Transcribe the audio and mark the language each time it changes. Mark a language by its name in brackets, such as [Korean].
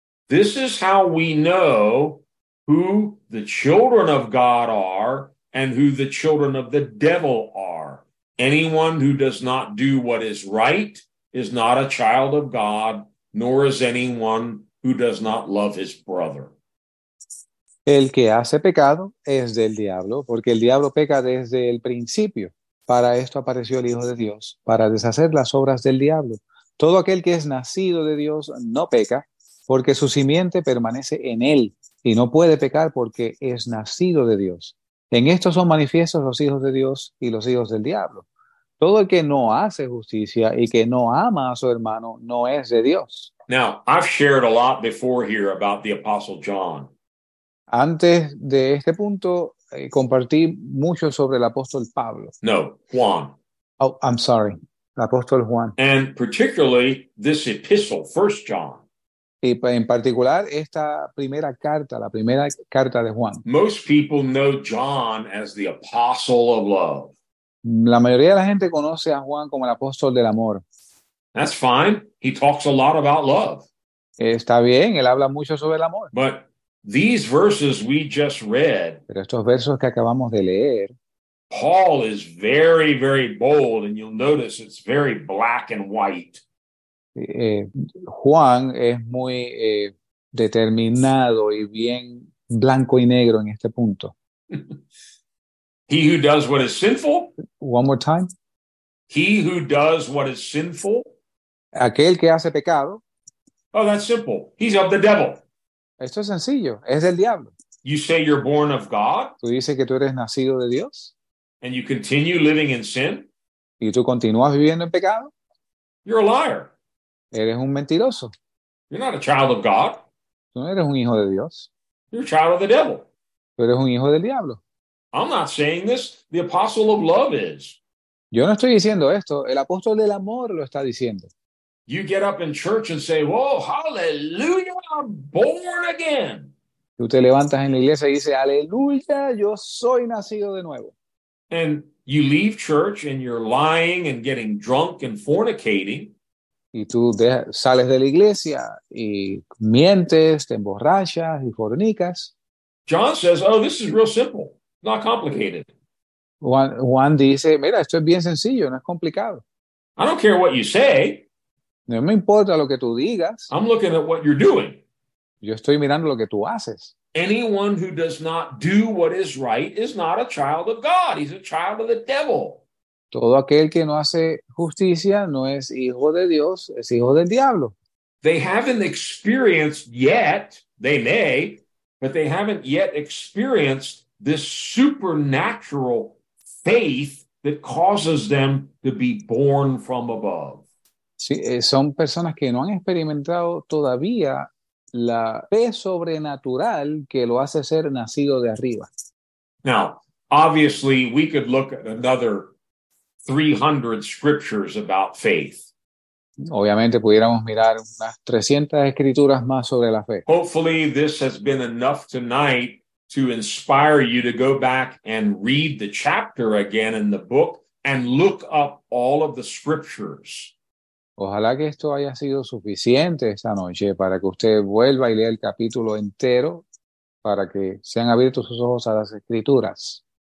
[English] This is how we know who the children of God are and who the children of the devil are. Anyone who does not do what is right is not a child of God, nor is anyone who does not love his brother. [Spanish] El que hace pecado es del diablo, porque el diablo peca desde el principio. Para esto apareció el Hijo de Dios, para deshacer las obras del diablo. Todo aquel que es nacido de Dios no peca, porque su simiente permanece en él, y no puede pecar porque es nacido de Dios. En esto son manifiestos los hijos de Dios y los hijos del diablo. Todo el que no hace justicia y que no ama a su hermano no es de Dios. [English] Now, I've shared a lot before here about the Apostle John. [Spanish] Antes de este punto, compartí mucho sobre el apóstol Pablo. No, Juan. [English] Oh, I'm sorry. [Spanish] El apóstol Juan. [English] And particularly this epistle, 1 John. [Spanish] Y en particular esta primera carta, la primera carta de Juan. [English] Most people know John as the apostle of love. [Spanish] La mayoría de la gente conoce a Juan como el apóstol del amor. [English] That's fine. He talks a lot about love. [Spanish] Está bien, él habla mucho sobre el amor. [English] But these verses we just read, [Spanish] pero estos versos que acabamos de leer, [English] Paul is very, very bold, and you'll notice it's very black and white. [Spanish] Juan es muy determinado y bien blanco y negro en este punto. [English] He who does what is sinful. One more time. He who does what is sinful. [Spanish] Aquel que hace pecado. [English] Oh, that's simple. He's of the devil. [Spanish] Esto es sencillo. Es del diablo. [English] You say you're born of God. [Spanish] Tú dices que tú eres nacido de Dios. [English] And you continue living in sin. [Spanish] Y tú continúas viviendo en pecado. [English] You're a liar. [Spanish] Eres un mentiroso. [English] You're not a child of God. [Spanish] Tú no eres un hijo de Dios. [English] You're a child of the devil. [Spanish] Tú eres un hijo del diablo. [English] I'm not saying this. The apostle of love is. [Spanish] Yo no estoy diciendo esto. El apóstol del amor lo está diciendo. [English] You get up in church and say, "Whoa, hallelujah, I'm born again." [Spanish] Tú te levantas en la iglesia y dices, "Aleluya, yo soy nacido de nuevo." [English] And you leave church and you're lying and getting drunk and fornicating. [Spanish] Y tú sales de la iglesia y mientes, te emborrachas y fornicas. [English] John says, oh, this is real simple, not complicated. [Spanish] Juan dice, mira, esto es bien sencillo, no es complicado. [English] I don't care what you say. [Spanish] No me importa lo que tú digas. [English] I'm looking at what you're doing. [Spanish] Yo estoy mirando lo que tú haces. [English] Anyone who does not do what is right is not a child of God. He's a child of the devil. [Spanish] Todo aquel que no hace justicia no es hijo de Dios, es hijo del diablo. [English] They haven't experienced yet, they may, but they haven't yet experienced this supernatural faith that causes them to be born from above. [Spanish] Sí, son personas que no han experimentado todavía la fe sobrenatural que lo hace ser nacido de arriba. [English] Now, obviously, we could look at another 300 scriptures about faith. [Spanish] Obviamente pudiéramos mirar unas 300 escrituras más sobre la fe. [English] Hopefully this has been enough tonight to inspire you to go back and read the chapter again in the book and look up all of the scriptures. [Spanish] Ojalá que esto haya sido suficiente esta noche para que usted vuelva y lea el capítulo entero para que sean abiertos sus ojos a las escrituras.